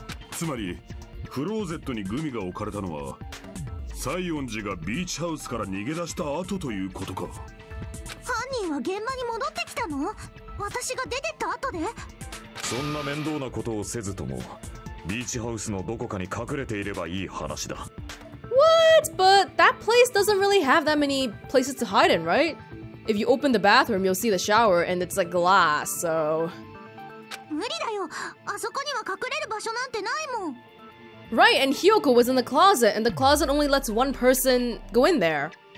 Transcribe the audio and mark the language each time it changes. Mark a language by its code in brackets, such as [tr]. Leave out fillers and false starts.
[ja] つまり…クローゼットにグミが置かれたのは、サイオンジがビーチハウスから逃げ出した後ということか。犯人は現場に戻ってきたの？私が出てった後で？そんな面倒なことをせずとも、ビーチハウスのどこかに隠れていればいい話だ。 [en] What? But that place doesn't really have that many places to hide in, right? If you open the bathroom, you'll see the shower, and it's like glass, so... [ja] 無理だよ。あそこには隠れる場所なんてないもん。 [en] Right, and Hiyoko was in the closet, and the closet only lets one person go in there.